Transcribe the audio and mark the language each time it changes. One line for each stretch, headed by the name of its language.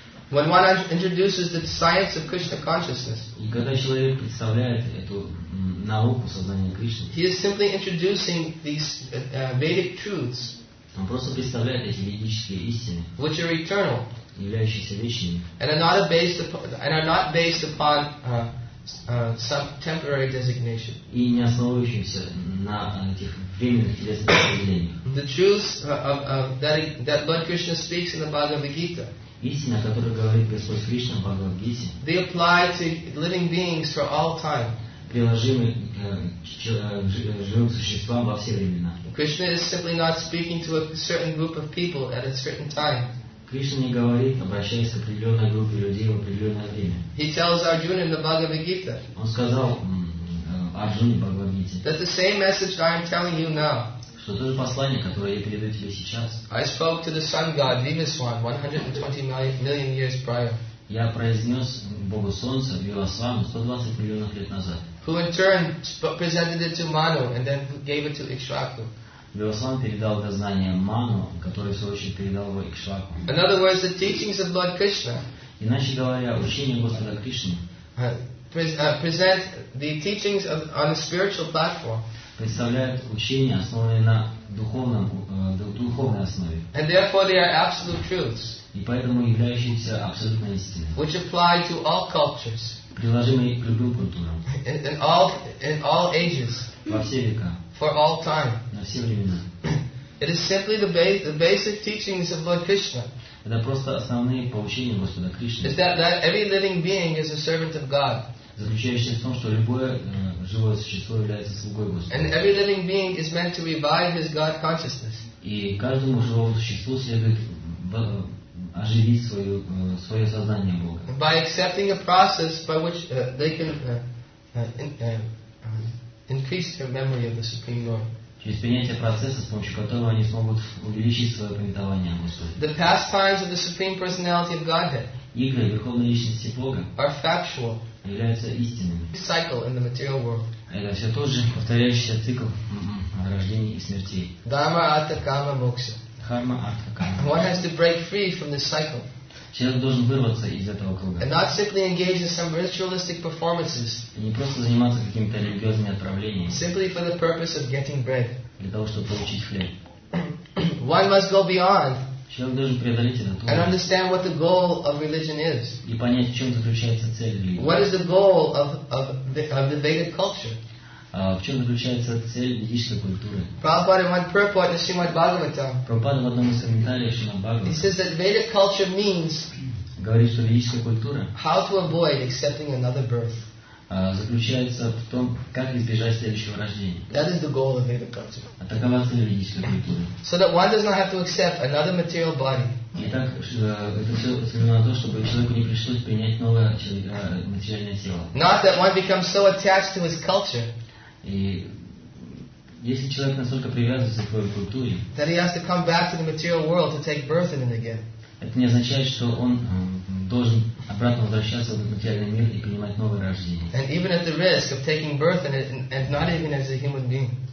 English: When one introduces the science of Krishna consciousness,
Russian: и когда человек представляет эту науку сознания Кришны,
English: he is simply introducing these Vedic truths,
Russian: он просто представляет эти ведические истины,
English: which are eternal,
Russian: являющиеся вечными,
English: and are not based upon some temporary designation.
Russian: И не основывающимся на этих временных телесных определениях.
English: The truths that Lord Krishna speaks in the Bhagavad Gita.
Russian: Истина, о которой говорит Господь Кришна в Бхагавад Гите.
English: They apply to living beings for all time.
Russian: Приложимы живым существам во все времена.
English: Krishna is simply not speaking to a certain group of people at a certain time.
Russian: Кришна не говорит, обращаясь к определенной группе людей в определенное время.
English: He tells Arjuna in the Bhagavad Gita.
Russian: Он сказал Арджуне в Бхагавад Гите.
English: That the same message that I am telling you now.
Russian: Что то же послание, которое я передаю тебе сейчас.
English: I spoke to the sun god Vivaswan 120 million years prior.
Russian: Я произнес Богу Солнца Вивасвану 120 миллионов лет назад.
English: Who in turn presented it to Manu and then gave it to Ikshvaku.
Russian: Вивасван передал это знание Ману, который в свою очередь передал его Ikshvaku.
English: In other words, the teachings of Lord Krishna.
Russian: Иначе говоря, учение Господа Кришны.
English: Present the teachings of, on a spiritual platform.
Russian: Представляют учения, основанные на духовном, духовной основе.
English: And therefore they are absolute truths.
Russian: И поэтому являющиеся абсолютной истиной.
English: Which apply to all cultures.
Russian: Приложимые к любым культурам.
English: In all ages.
Russian: Во все века.
English: For all time.
Russian: На все времена.
English: It is simply the basic teachings of Lord Krishna.
Russian: Это просто основные поучения Господа Кришны.
English: Is that every living being is a servant of God.
Russian: Заключающиеся в том, что любое живое существо является слугой Господа.
English: And every living being is meant to revive his God consciousness.
Russian: И каждому живому существу следует оживить свое, свое сознание Бога.
English: By accepting a process by which they can increase their memory of the Supreme Lord.
Russian: Через принятие процесса, с помощью которого они смогут увеличить свое памятование о Господе.
English: The pastimes of the Supreme Personality of Godhead.
Russian: Игры Верховной Личности Бога.
English: Are factual.
Russian: Являются истинными.
English: Cycle in the material world.
Russian: Это все тот же повторяющийся цикл рождения и смерти. Дхарма, артха, карма, мокша. Дхарма, артха, карма.
English: One has to break free from this cycle.
Russian: Человек должен вырваться из этого круга.
English: And not simply engage in some ritualistic performances.
Russian: И не просто заниматься какими-то религиозными отправлениями.
English: Simply for the purpose of getting bread.
Russian: Для того, чтобы получить хлеб.
English: One must go beyond.
Russian: Человек должен преодолеть этот уровень.
English: And understand what the goal of religion is.
Russian: И понять, в чем заключается цель религии.
English: What is the goal of the Vedic culture?
Russian: В чем заключается цель ведической культуры?
English: Prabhupada in one purport in Srimad Bhagavatam.
Russian: Prabhupada в одном из комментариев Srimad Bhagavatam.
English: He says that Vedic culture means.
Russian: Говорит, что ведическая культура.
English: How to avoid accepting another birth.
Russian: Заключается в том, как избежать следующего рождения.
English: That is the goal of Vedic culture.
Russian: А такова цель ведической культуры.
English: So that one does not have to accept another material body.
Russian: Итак, это все связано на то, чтобы человеку не пришлось принять новое материальное тело.
English: Not that one becomes so attached to his culture.
Russian: И если человек настолько привязывается к своей культуре,
English: that he has to come back to the material world to take birth in it again.
Russian: Это не означает, что он должен обратно возвращаться в этот материальный мир и принимать новое рождение.
English: And even at the risk of taking birth in it, and not even as a human being.